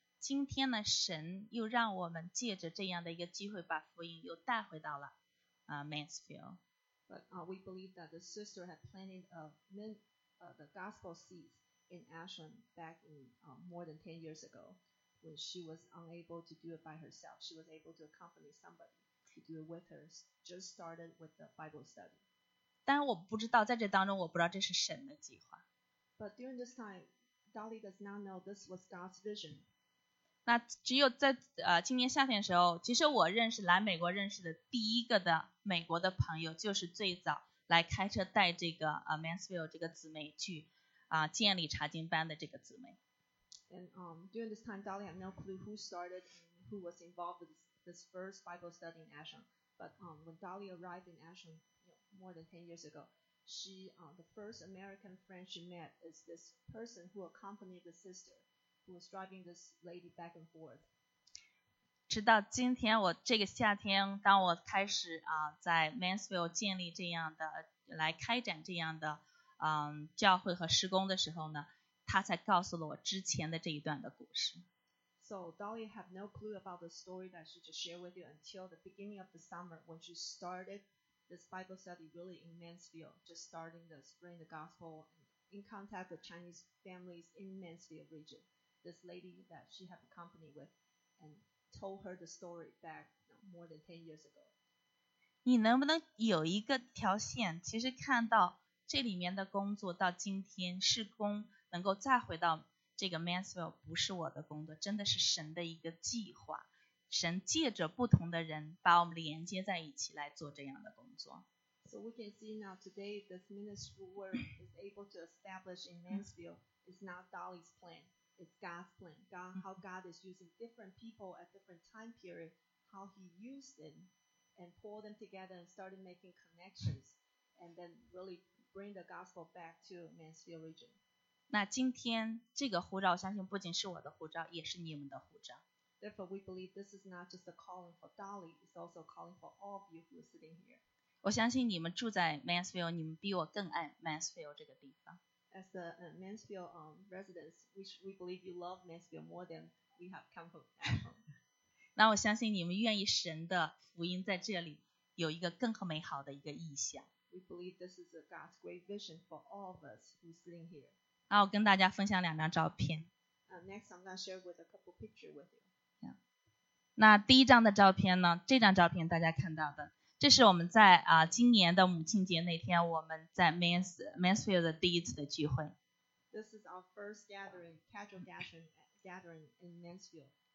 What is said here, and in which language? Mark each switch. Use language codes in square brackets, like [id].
[zh] 今天呢，神又让我们借着这样的一个机会，把福音又带回到了Mansfield. [en] But we believe that the sister had planted the gospel seeds. In Ashland, back in more than 10 years ago, when she was unable to do it by herself, she was able to accompany somebody to do it with her. Just started with the Bible study. [zh] 但我不知道在这当中，我不知道这是神的计划。 [en] But during this time, Dolly does not know this was God's vision. [zh] 那只有在今年夏天的时候，其实我认识来美国认识的第一个的美国的朋友，就是最早来开车带这个Mansfield 这个姊妹去。建立查经班的这个姊妹。 [en] And during this time, Dolly had no clue who started and who was involved with this first Bible study in Ashland. But when Dolly arrived in Ashland more than 10 years ago, she the first American friend she met is this person who accompanied the sister who was driving this lady back and forth. [zh] 直到今天，我这个夏天，当我开始啊，在 Mansfield 建立这样的，来开展这样的，教会和施工的时候呢，他才告诉了我之前的这一段的故事。 [en] So Dolly had no clue about the story that she just shared with you until the beginning of the summer when she started this Bible study really in Mansfield, just starting to spread the gospel in contact with Chinese families in Mansfield region. This lady that she had accompanied with and told her the story back more than 10 years ago. [zh] 你能不能有一个条线，其实看到这里面的工作到今天事工能够再回到这个 Mansfield 不是我的工作，真的是神的一个计划，神借着不同的人把我们连接在一起来做这样的工作。 [en] So we can see now today this ministry work is able to establish in Mansfield is not Dolly's plan, it's God's plan. God, how God is using different people at different time period, how he used them and pulled them together and started making connections and then really bring the gospel back to Mansfield region. [zh] 那今天这个护照，我相信不仅是我的护照，也是你们的护照。 [en] Therefore, we believe this is not just a calling for Dolly, it's also a calling for all of you who are sitting here. [zh] 我相信你们住在 Mansfield, 你们比我更爱 Mansfield 这个地方。 [en] As the Mansfield residents, which we believe you love Mansfield more than we have come from. [zh] 那我相信你们愿意神的福音在这里有一个更美好的一个意象。 [en] We believe this is a God's great vision for all of us who are sitting here. [zh] 然后跟大家分享两张照片。 [en] Next, I'm gonna share with a couple pictures with you. [zh] Yeah. 那第一张的照片呢？这张照片大家看到的，这是我们在今年的母亲节那天，我们在 Mansfield 的第一次的聚会。 [en] This is our first gathering, casual gathering in Mansfield.